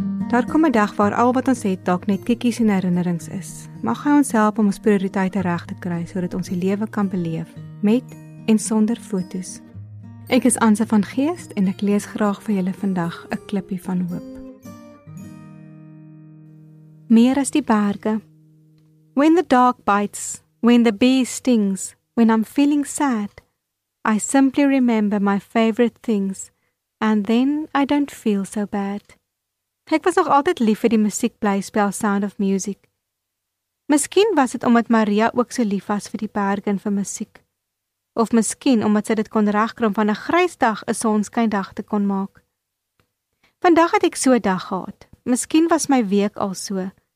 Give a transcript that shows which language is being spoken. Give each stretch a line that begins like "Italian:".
Afrikaans: Daar kom 'n dag waar al wat ons het dalk net kikkies en herinnerings is. Mag hy ons help om ons prioriteite reg te kry sodat ons die lewe kan beleef met en sonder fotos. Ek is Anse van Geest en ek lees graag vir julle vandag 'n klippie van hoop. Meer as die berge.
English: When the dog bites, when the bee stings, when I'm feeling sad, I simply remember my favorite things, and then I don't feel so bad.
Afrikaans: Ek was nog altyd lief vir die musiekblyspel Sound of Music. Miskien was dit omdat Maria ook so lief was vir die berge en vir musiek. Of miskien omdat sy dit kon regkrom van 'n grys dag 'n sonskyndag te kon maak. Vandag het ek so 'n dag gehad. Miskien was my week al so.